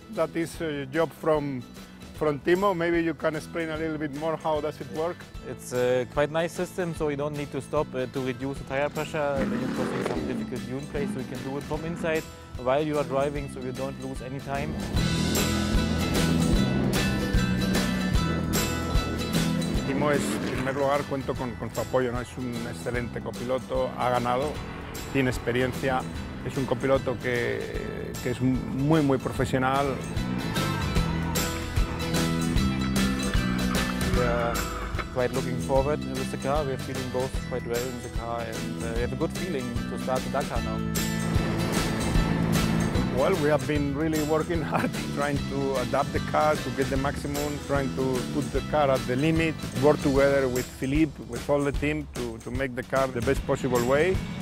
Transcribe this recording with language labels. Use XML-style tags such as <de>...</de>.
<en>That is a job from Timo. Maybe you can explain a little bit more how does it work. It's a quite nice system, so you don't need to stop to reduce the tire pressure when you're crossing some difficult dune place, so you can do it from inside while you are driving, so you don't lose any time.</en> <es>Timo es, en primer lugar, cuento con su apoyo, ¿no? Es un excelente copiloto, ha ganado, tiene experiencia, es un copiloto que es muy, muy profesional.</es> <en>We are quite looking forward with the car. We are feeling both quite well in the car, and we have a good feeling to start the Dakar now. Well, we have been really working hard, trying to adapt the car to get the maximum, trying to put the car at the limit, work together with Philippe, with all the team, to make the car the best possible way.</en>